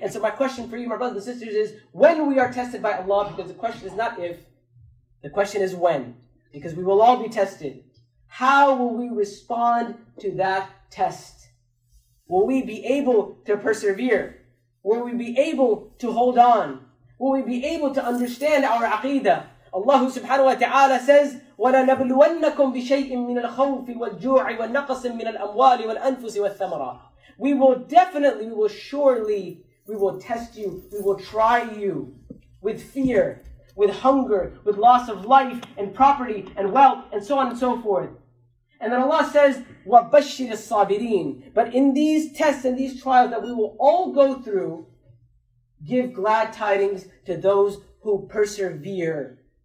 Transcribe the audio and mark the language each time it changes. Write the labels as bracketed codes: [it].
[en] And so my question for you, my brothers and sisters, is when we are tested by Allah, because the question is not if, the question is when, because we will all be tested. How will we respond to that test? Will we be able to persevere? Will we be able to hold on? Will we be able to understand our aqidah? Allah subhanahu wa ta'ala says, [ar] وَلَنَبْلُوَنَّكُمْ بِشَيْءٍ مِّنَ الْخَوْفِ وَالْجُوعِ وَالنَّقَصٍ مِّنَ الْأَمْوَالِ وَالْأَنفُسِ وَالثَّمَرَةِ. [en] We will definitely, we will test you, we will try you with fear, with hunger, with loss of life and property and wealth and so on and so forth. And then Allah says, [ar] وَبَشِّرِ الصَّابِرِينَ. [en] But in these tests and these trials that we will all go through, give glad tidings to those who persevere.